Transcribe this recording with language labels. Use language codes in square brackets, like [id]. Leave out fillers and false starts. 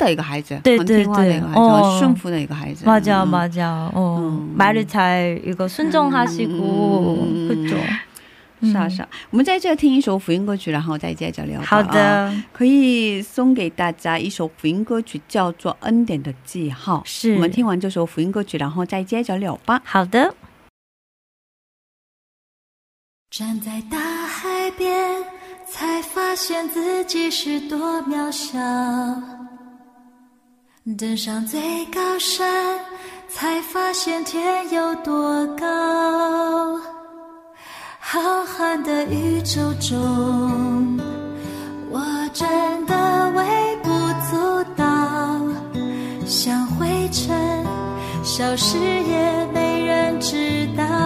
[zh] 我觉得挺好的呀，对，很接受，很听话的一个孩子，很听话的一个孩子，顺服的一个孩子。 [ko] 맞아, 맞아. 말을 잘 이거 순종하시고 그죠. [zh] 是啊是啊，我们在这听一首福音歌曲，然后再接着聊。好的，可以送给大家一首福音歌曲，然后再接着聊吧。好的，我们听完这首福音歌曲，然后再接着聊吧。好的。站在大海边，才发现自己是多渺小。登上最高山，才发现天有多高。浩瀚的宇宙中，我真的微不足道，像灰尘，消失也没人知道。